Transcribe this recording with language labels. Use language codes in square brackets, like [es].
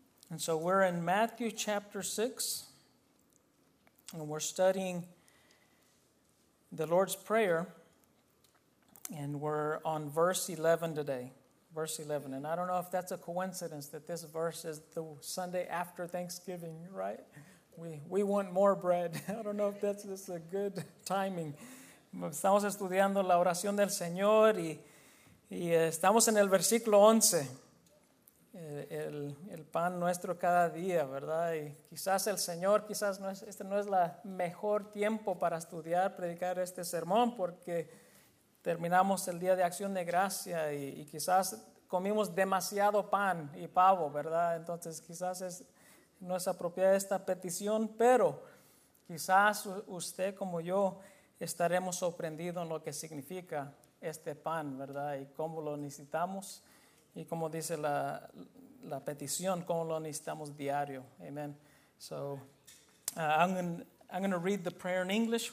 [en] And so we're in Matthew chapter 6, and we're studying the Lord's Prayer, and we're on verse 11 today. Verse 11, and I don't know if that's a coincidence that this verse is the Sunday after Thanksgiving, right? We want more bread. I don't know if that's a good timing. [es] Estamos estudiando la oración del Señor y estamos en el versículo 11. El pan nuestro cada día, ¿verdad? Y quizás el Señor, quizás no es, este no es la mejor tiempo para estudiar, predicar este sermón, porque terminamos el día de Acción de Gracia y quizás comimos demasiado pan y pavo, ¿verdad? Entonces quizás es, no es apropiada esta petición, pero quizás usted como yo estaremos sorprendidos en lo que significa este pan, ¿verdad? Y cómo lo necesitamos. Y como dice la petición, como lo necesitamos diario. [en] Amen. So, I'm going to read the prayer in English.